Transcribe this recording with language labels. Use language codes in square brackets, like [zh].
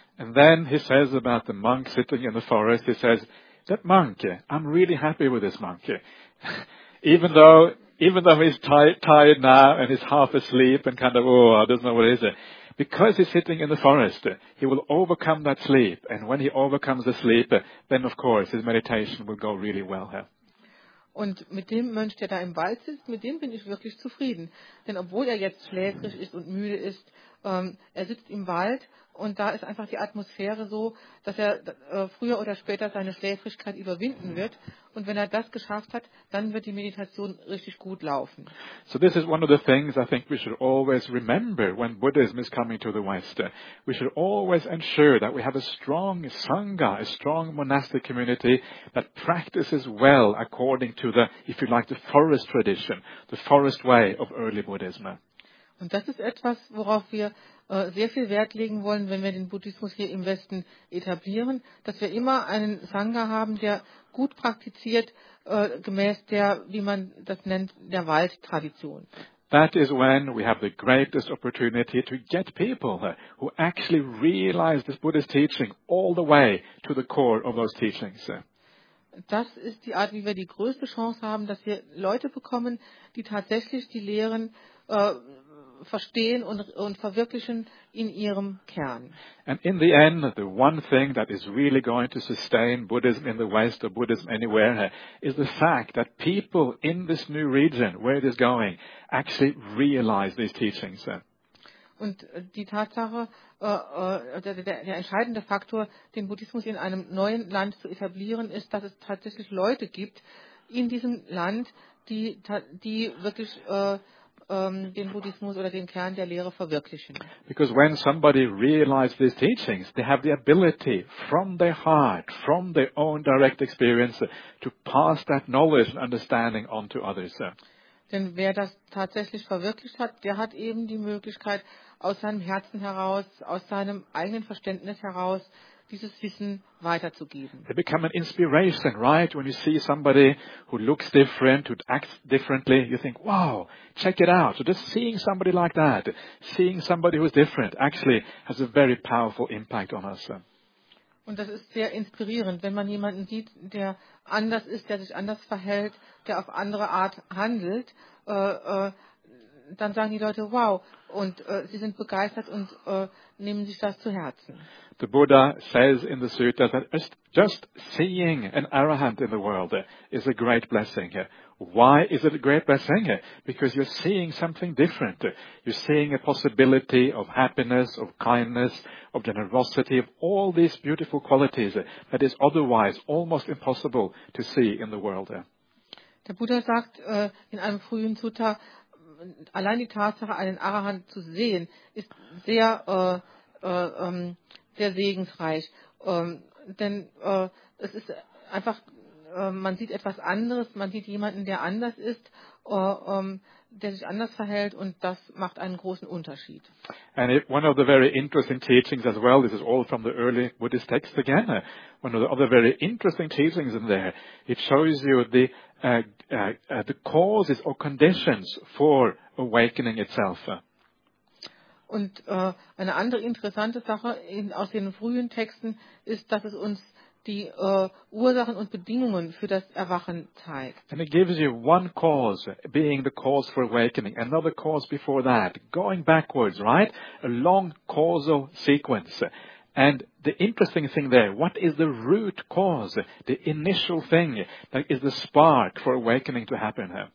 [en] And then he says about the monk sitting in the forest, he says, that monk, I'm really happy with this monk. Even though he's tired now and he's half asleep and kind of, oh, I don't know what it is. Because he's sitting in the forest, he will overcome that sleep. And when he overcomes the sleep, then of course his meditation will go really well. [de] Und mit dem Mönch, der da im Wald sitzt, mit dem bin ich wirklich zufrieden. Denn obwohl er jetzt schläfrig ist und müde ist, er sitzt im Wald und da ist einfach die Atmosphäre so, dass er früher oder später seine Schläfrigkeit überwinden wird. Und wenn er das geschafft hat, dann wird die Meditation richtig gut laufen. [en] So this is one of the things I think we should always remember when Buddhism is coming to the West. We should always ensure that we have a strong Sangha, a strong monastic community that practices well according to the, if you like, the forest tradition, the forest way of early Buddhism. [de] Und das ist etwas, worauf wir sehr viel Wert legen wollen, wenn wir den Buddhismus hier im Westen etablieren, dass wir immer einen Sangha haben, der gut praktiziert, gemäß der, wie man das nennt, der Waldtradition. [en] That is when we have the greatest opportunity to get people who actually realize this Buddhist teaching all the way to the core of those teachings. [de] Das ist die Art, wie wir die größte Chance haben, dass wir Leute bekommen, die tatsächlich die Lehren verstehen und verwirklichen in ihrem Kern. [en] And in the end, the one thing that is really going to sustain Buddhism in the West or Buddhism anywhere is the fact that people in this new region, where it is going, actually realize these teachings. [de] Und die Tatsache, der entscheidende Faktor, den Buddhismus in einem neuen Land zu etablieren, ist, dass es tatsächlich Leute gibt in diesem Land, die wirklich den Buddhismus oder den Kern der Lehre verwirklichen. [en] Because when somebody realizes these teachings, they have the ability from their heart, from their own direct experience, to pass that knowledge and understanding on to others. [de] Denn wer das tatsächlich verwirklicht hat, der hat eben die Möglichkeit, aus seinem Herzen heraus, aus seinem eigenen Verständnis heraus, dieses Wissen weiterzugeben. [en] They become an inspiration, right? When you see somebody who looks different, who acts differently, you think, wow, check it out. So just seeing somebody like that, seeing somebody who is different, actually has a very powerful impact on us. [de] Und das ist sehr inspirierend, wenn man jemanden sieht, der anders ist, der sich anders verhält, der auf andere Art handelt, dann sagen die Leute, wow, und sie sind begeistert und nehmen sich das zu Herzen. [en] The Buddha says in the sutta that just seeing an arahant in the world is a great blessing. Why is it a great blessing? Because you're seeing something different. You're seeing a possibility of happiness, of kindness, of generosity, of all these beautiful qualities that is otherwise almost impossible to see in the world. [de] Der Buddha sagt in einem frühen Sutta, allein die Tatsache, einen Arahant zu sehen, ist sehr sehr segensreich. Denn es ist einfach, man sieht etwas anderes, man sieht jemanden, der anders ist, der sich anders verhält und das macht einen großen Unterschied. [en] And one of the very interesting teachings as well, this is all from the early Buddhist texts again, one of the other very interesting teachings in there, it shows you the causes or conditions for awakening itself. [de] Und eine andere interessante Sache aus den frühen Texten ist, dass es uns die Ursachen und Bedingungen für das Erwachen zeigt. [en] And it gives you one cause, being the cause for awakening. Another cause before that, going backwards, right? A long causal sequence. And the interesting thing there, what is the root cause, the initial thing that is the spark for awakening to happen?